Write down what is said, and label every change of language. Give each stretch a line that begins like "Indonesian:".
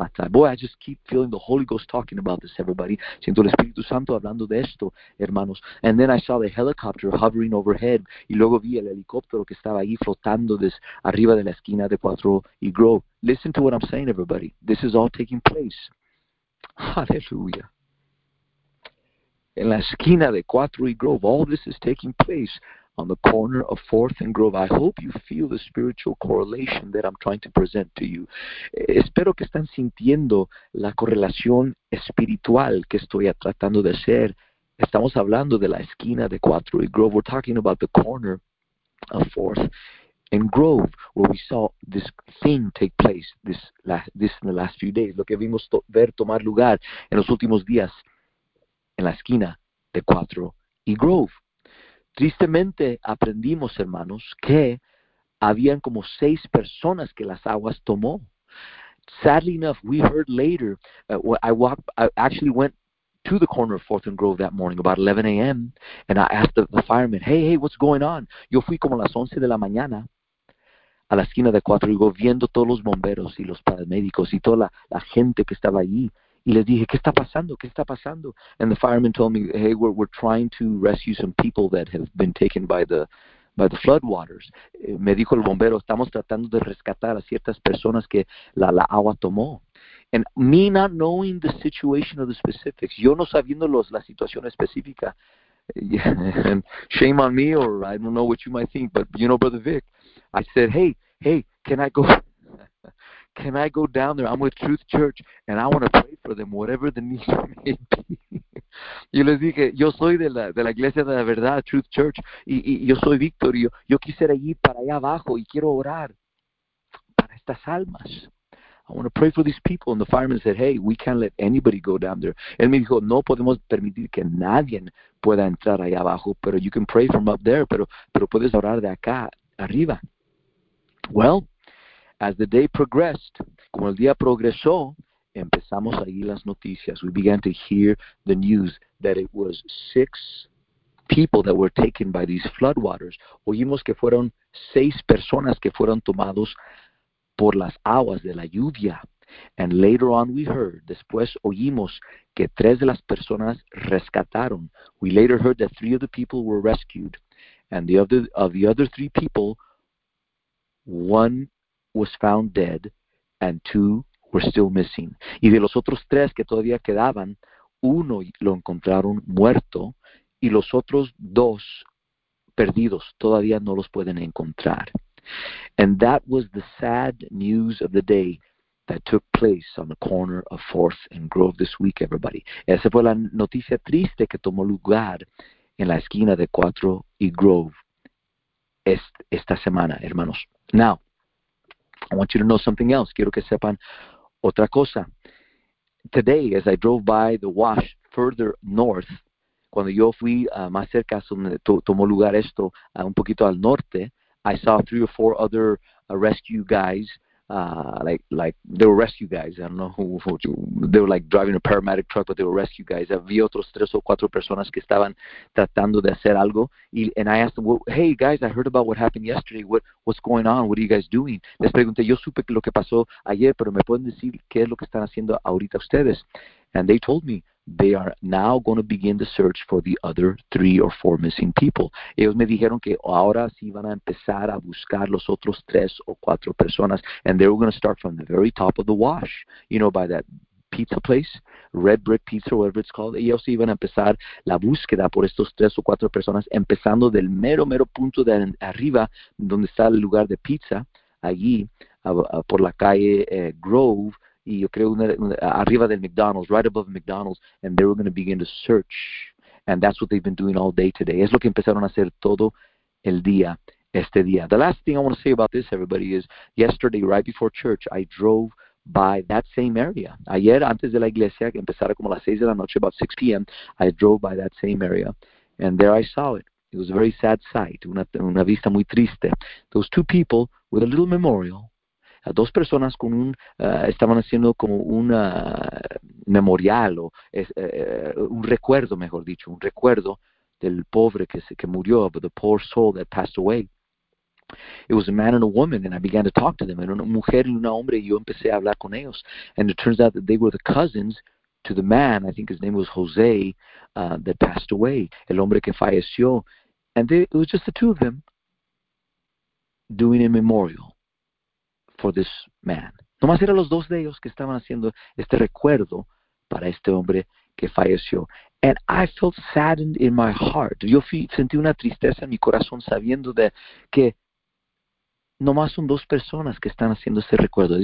English: Boy, I just keep feeling the Holy Ghost talking about this, everybody.
Spanish: Siento el Espíritu Santo hablando de esto, hermanos.
English: And then I saw the helicopter hovering overhead.
Spanish: Y luego vi el helicóptero que estaba ahí flotando arriba de la esquina de 4 y Grove.
English: Listen to what I'm saying, everybody. This is all taking place. Hallelujah.
Spanish: En la esquina de 4 y Grove,
English: all this is taking place on the corner of 4th and Grove. I hope you feel the spiritual correlation that I'm trying to present to you.
Spanish: Espero que están sintiendo la correlación espiritual que estoy tratando de hacer. Estamos hablando de la esquina de 4 y Grove.
English: We're talking about the corner of 4th. In Grove, where we saw this thing take place this in the last few days.
Spanish: Lo que vimos ver tomar lugar en los últimos días en la esquina de 4 y Grove. Tristemente aprendimos, hermanos, que habían como 6 personas que las aguas tomó.
English: Sadly enough, we heard later, I actually went to the corner of 4th and Grove that morning, about 11 a.m., and I asked the fireman, hey, what's going on?
Spanish: Yo fui como a las 11 de la mañana a la esquina de 4 y Grove, viendo todos los bomberos y los paramédicos y toda la gente que estaba allí. Y les dije, ¿qué está pasando? ¿Qué está pasando?
English: And the firemen told me, hey, we're trying to rescue some people that have been taken by the floodwaters.
Spanish: Me dijo el bombero, estamos tratando de rescatar a ciertas personas que la agua tomó.
English: And me not knowing the situation of the specifics,
Spanish: yo no sabiendo la situación específica,
English: yeah, and shame on me, or I don't know what you might think, but you know, Brother Vic, I said, hey, can I go down there? I'm with Truth Church, and I want to pray for them, whatever the need may be.
Spanish: Yo les dije, yo soy de la Iglesia de la Verdad, Truth Church, y yo soy Víctor, y yo quisiera ir para allá abajo, y quiero orar para estas almas.
English: I want to pray for these people. And the fireman said, hey, we can't let anybody go down there.
Spanish: Él me dijo, no podemos permitir que nadie pueda entrar allá abajo, pero
English: you can pray from up there,
Spanish: pero puedes orar de acá arriba.
English: Well, as the day progressed,
Spanish: como el día progresó, Empezamos a oír las noticias.
English: We began to hear the news that it was six people that were taken by these floodwaters.
Spanish: Oímos que fueron seis personas que fueron tomados por las aguas de la lluvia.
English: And later on we heard,
Spanish: después oímos que tres de las personas rescataron.
English: We later heard that three of the people were rescued. And the other three people, one was found dead and two were still missing.
Spanish: Y de los otros tres que todavía quedaban, uno lo encontraron muerto y los otros dos perdidos, todavía no los pueden encontrar.
English: And that was the sad news of the day that took place on the corner of 4th and Grove this week, everybody.
Spanish: Esa fue la noticia triste que tomó lugar en la esquina de 4 y Grove esta semana, hermanos.
English: Now, I want you to know something else.
Spanish: Quiero que sepan otra cosa.
English: Today, as I drove by the wash further north,
Spanish: cuando yo fui más cerca donde tomó lugar esto, un poquito al norte,
English: I saw three or four other rescue guys, like they were rescue guys. I don't know who they were, like driving a paramedic truck, but they were rescue guys.
Spanish: Había otros tres o cuatro personas que estaban tratando de hacer algo.
English: And I asked them, well, hey guys, I heard about what happened yesterday. What's going on? What are you guys doing?
Spanish: Les pregunté, yo supe lo que pasó ayer, pero me pueden decir qué es lo que están haciendo ahorita ustedes?
English: And they told me they are now going to begin the search for the other three or four missing people.
Spanish: Ellos me dijeron que ahora sí van a empezar a buscar los otros tres o cuatro personas.
English: And they were going to start from the very top of the wash, you know, by that pizza place, Red Brick Pizza, whatever it's called.
Spanish: Ellos sí iban a empezar la búsqueda por estos tres o cuatro personas, empezando del mero, mero punto de arriba, donde está el lugar de pizza, allí, por la calle Grove, y yo creo arriba del McDonald's,
English: right above McDonald's,
Spanish: and they were going to begin to search.
English: And that's what they've been doing all day today.
Spanish: Es lo que empezaron a hacer todo el día, este día.
English: The last thing I want to say about this, everybody, is yesterday, right before church, I drove by that same area.
Spanish: Ayer, antes de la iglesia, que empezara como a las 6 de la noche,
English: about 6 p.m., I drove by that same area, and there I saw it. It was a very sad sight,
Spanish: una vista muy triste.
English: Those two people with a little memorial.
Spanish: Dos personas con estaban haciendo como un memorial o un recuerdo, mejor dicho, un recuerdo del pobre que murió,
English: of the poor soul that passed away. It was a man and a woman, and I began to talk to them.
Spanish: Era una mujer y un hombre, y yo empecé a hablar con ellos.
English: And it turns out that they were the cousins to the man, I think his name was Jose, that passed away,
Spanish: el hombre que falleció.
English: And it was just the two of them doing a memorial for this man.
Spanish: Nomás eran los dos de ellos que estaban haciendo este recuerdo para este hombre que falleció.
English: And I felt saddened in my heart.
Spanish: Sentí una tristeza en mi corazón sabiendo de que nomás son dos personas que están haciendo este recuerdo.